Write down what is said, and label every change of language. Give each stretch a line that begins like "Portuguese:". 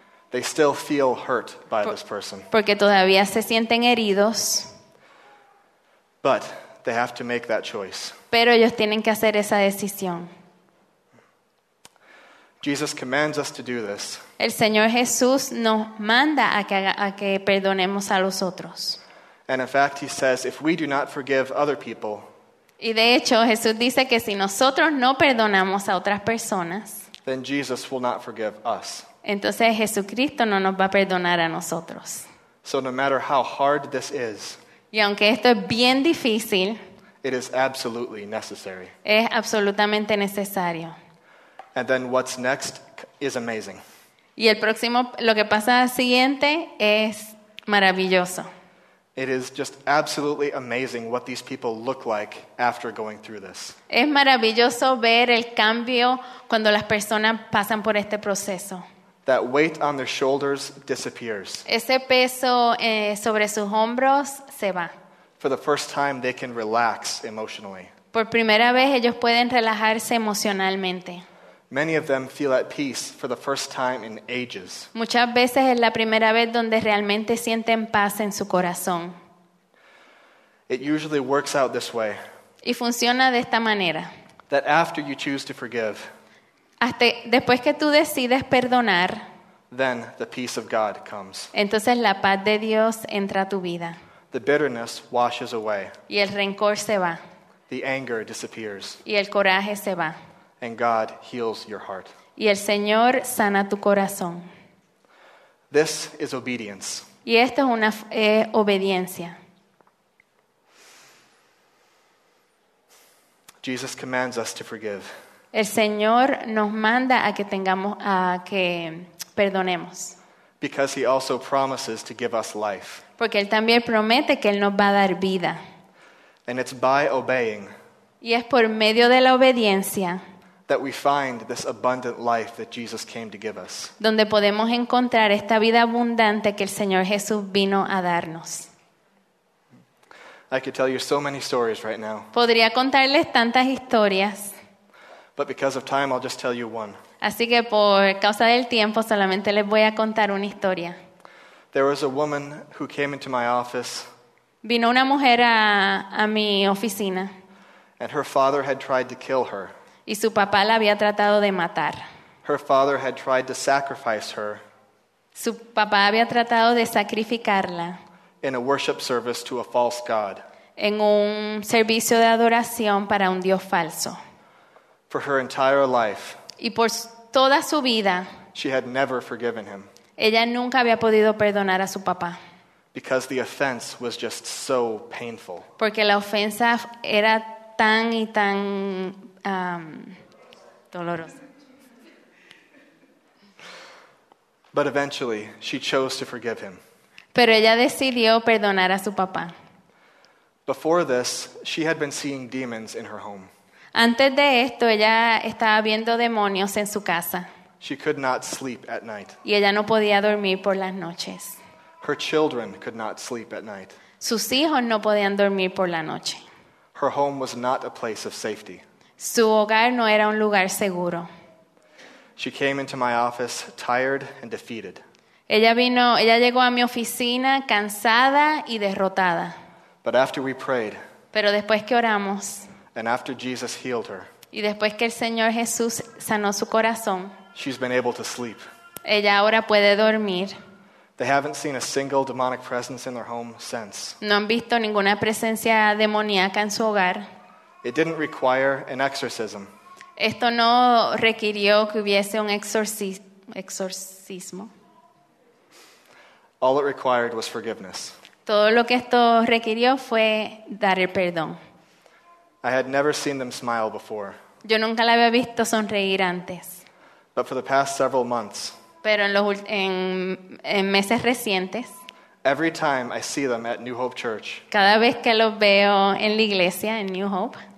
English: They still feel hurt by this person.
Spanish: Porque todavía se sienten heridos.
English: But they have to make that choice.
Spanish: Pero ellos tienen que hacer esa decisión.
English: Jesus commands us to do this.
Spanish: El Señor Jesús nos manda a que perdonemos a los otros.
English: And in fact, he says, if we do not forgive other people.
Spanish: Y de hecho, Jesús dice que si nosotros no perdonamos a otras personas,
English: then Jesus will not forgive us.
Spanish: Entonces Jesucristo no nos va a perdonar a nosotros.
English: So no matter how hard this is,
Spanish: y aunque esto es bien difícil,
English: it is absolutely necessary.
Spanish: Es absolutamente necesario.
English: And then what's next is amazing.
Spanish: Y el próximo, lo que pasa al siguiente es maravilloso.
English: It is just absolutely amazing what these people look like after going through this.
Spanish: Es maravilloso ver el cambio cuando las personas pasan por este proceso.
English: That weight on their shoulders disappears.
Spanish: Ese peso sobre sus hombros se va.
English: For the first time, they can relax emotionally.
Spanish: Por primera vez, ellos pueden relajarse emocionalmente.
English: Many of them feel at peace for the first time in ages.
Spanish: Muchas veces es la primera vez donde realmente sienten paz en su corazón.
English: It usually works out this way.
Spanish: Y funciona de esta manera.
English: That after you choose to forgive,
Spanish: hasta después que tú decides perdonar,
English: then the peace of God comes.
Spanish: Entonces la paz de Dios entra a tu vida.
English: The bitterness washes away.
Spanish: Y el rencor se va.
English: The anger disappears.
Spanish: Y el coraje se va.
English: And God heals your heart.
Spanish: Y el Señor sana tu corazón.
English: This is obedience.
Spanish: Y esto es una obediencia.
English: Jesus commands us to forgive.
Spanish: El Señor nos manda a que perdonemos.
English: Because he also promises to give us life.
Spanish: Porque él también promete que él nos va a dar vida.
English: And it's by obeying.
Spanish: Y es por medio de la obediencia.
English: That we find this abundant life that Jesus came to give us.
Spanish: Donde podemos encontrar esta vida abundante que el Señor Jesús vino a darnos.
English: I could tell you so many stories right now.
Spanish: Podría contarles tantas historias.
English: But because of time, I'll just tell you one.
Spanish: Así que por causa del tiempo, solamente les voy a contar una historia.
English: There was a woman who came into my office.
Spanish: Vino una mujer a mi oficina.
English: And her father had tried to kill her.
Spanish: Y su papá la había tratado de matar.
English: Her father had tried to sacrifice her.
Spanish: Su papá había tratado de sacrificarla.
English: In a worship service to a false god.
Spanish: En un servicio de adoración para un dios falso.
English: For her entire life.
Spanish: Y por toda su vida.
English: She had never forgiven him.
Spanish: Ella nunca había podido perdonar a su papá.
English: Because the offense was just so painful.
Spanish: Porque la ofensa era tan y tan dolorosa.
English: But eventually she chose to forgive him.
Spanish: Pero ella decidió perdonar a su papá.
English: Before this, she had been seeing demons in her home.
Spanish: Antes de esto, ella estaba viendo demonios en su casa.
English: She could not sleep at night.
Spanish: Y ella no podía dormir por las noches.
English: Her children could not sleep at night.
Spanish: Sus hijos no podían dormir por la noche.
English: Her home was not a place of safety.
Spanish: Su hogar no era un lugar seguro.
English: She came into my office tired and defeated.
Spanish: Ella llegó a mi oficina cansada y derrotada.
English: But after we prayed,
Spanish: pero después que oramos,
English: and after Jesus healed her,
Spanish: y después que el Señor Jesús sanó su corazón,
English: she's been able to sleep.
Spanish: Ella ahora puede dormir.
English: They haven't seen a single demonic presence in their home since.
Spanish: No han visto ninguna presencia demoníaca en su hogar.
English: It didn't require an exorcism.
Spanish: Esto no requirió que hubiese un exorcismo.
English: All it required was forgiveness.
Spanish: Todo lo que esto requirió fue dar el perdón.
English: I had never seen them smile before.
Spanish: Yo nunca la había visto sonreír antes.
English: But for the past several months,
Spanish: pero en meses recientes,
English: every time I see them at New Hope Church,
Spanish: cada vez que los veo en la iglesia, en New Hope,